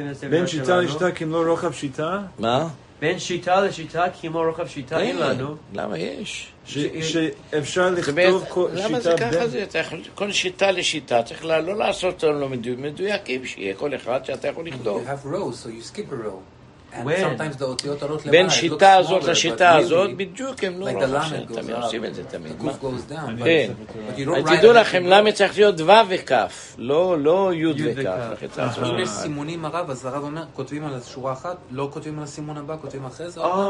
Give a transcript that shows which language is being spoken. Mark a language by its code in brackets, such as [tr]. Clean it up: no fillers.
[he] בין שיטה לשיטה כי לא רוחב שיטה. מה? בין שיטה לשיטה, כמו רוחב שיטה, אין לנו. למה יש? שאפשר לכתוב כל שיטה בין... למה זה ככה זה? כל שיטה לשיטה, צריך לא לעשות אותם לא מדויקים, שיהיה כל אחד שאתה יכול לכתוב. [en] You have rows, so you skip a row. And sometimes the [he] אותיות עולות למעלה. בין שיטה הזאת לשיטה הזאת, בדיוק הם לא רוחב שיטה. תמיד עושים את זה תמיד. [en] The goof goes down. [he] כן. תדעו לכם, למה צריך להיות דו וכף? לא יו וכף. אם יש סימונים הרב, אז הרב אומר, כותבים על השורה אחת, לא כותבים על הסימון הבא, כותבים אחרי זה.